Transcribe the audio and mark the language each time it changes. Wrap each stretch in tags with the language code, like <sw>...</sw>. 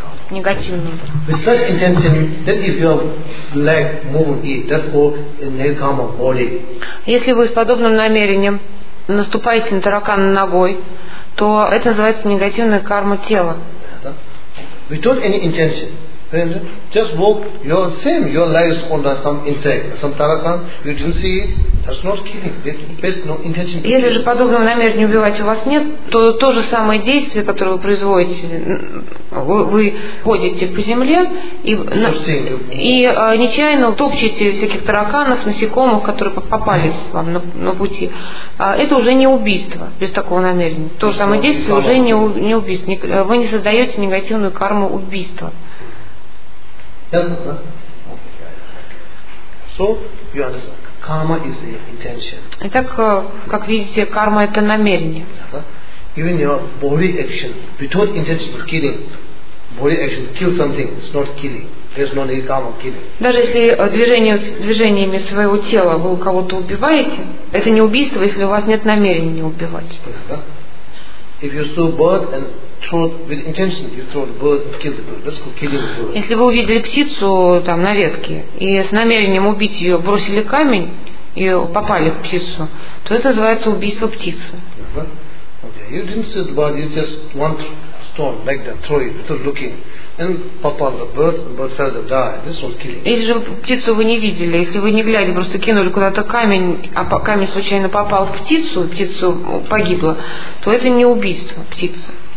<ru>Негативную. Если вы с подобным намерением наступаете на таракана ногой, то это называется негативная карма тела.</ru> <en>Without any intention. Just walk your same, your legs on some insect, some tarakan, you didn't see it, that's not killing. There's no intention.</en> <ru>Если же подобного намерения убивать у вас нет, то же самое действие, которое вы производите, вы ходите по земле и нечаянно топчете всяких тараканов, насекомых, которые попались вам на пути. Это уже не убийство без такого намерения. То же самое действие уже не убийство. Вы не создаете негативную карму убийства.</ru> <en>So you understand, karma is the intention.</en> <ru>Итак, как видите, карма это намерение.</ru> <en>Even your body action, without intention of killing, body action kill something, it's not killing. There's no karma killing.</en> <ru>Даже если движениями своего тела вы кого-то убиваете, это не убийство, если у вас нет намерения убивать.</ru> <en>If you saw bird and throw with intention, you throw the bird and kill the bird. That's called killing the bird.</en> <ru>Если вы увидели птицу там на ветке и с намерением убить ее бросили камень и попали в птицу, то это называется убийство птицы.</ru> <en>Okay. You didn't see the bird. You just one stone like that, throw it without looking, and popped the bird. The bird fell and died. This was killing.</en> <ru>Если же птицу вы не видели, если вы не глядя просто кинули куда-то камень, а камень случайно попал в птицу, птицу погибла, то это не убийство птицы.</ru>